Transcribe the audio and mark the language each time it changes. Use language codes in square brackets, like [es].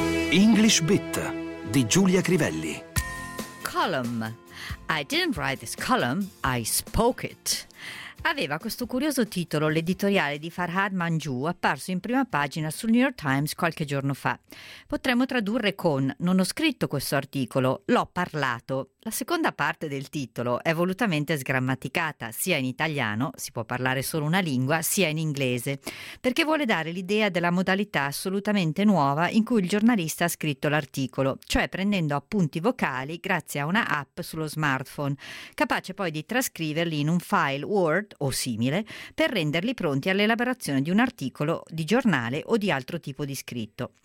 [it] English Bit di Giulia Crivelli. [en] Column. I didn't write this column, I spoke it. [it] Aveva questo curioso titolo l'editoriale di Farhad Manjoo, apparso in prima pagina sul New York Times qualche giorno fa. Potremmo tradurre con «Non ho scritto questo articolo, l'ho parlato». La seconda parte del titolo è volutamente sgrammaticata, sia in italiano, si può parlare solo una lingua, sia in inglese, perché vuole dare l'idea della modalità assolutamente nuova in cui il giornalista ha scritto l'articolo, cioè prendendo appunti vocali grazie a una app sullo smartphone, capace poi di trascriverli in un file Word o simile per renderli pronti all'elaborazione di un articolo di giornale o di altro tipo di scritto.